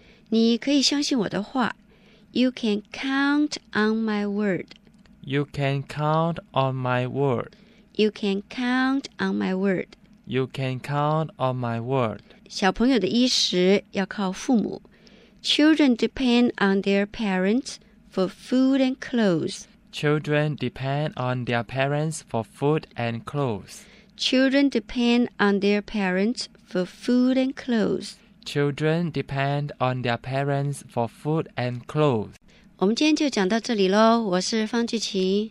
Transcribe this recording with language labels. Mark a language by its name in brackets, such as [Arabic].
[Chinese] 你可以相信我的话。 [English] You can count on my word. You can count on my word. You can count on my word. You can count on my word. [Chinese] 小朋友的衣食要靠父母。 [English] Children depend on their parents for food and clothes. Children depend on their parents for food and clothes. Children depend on their parents for food and clothes. Children depend on their parents for food and clothes. [Chinese] 我们今天就讲到这里咯，我是方俊琪，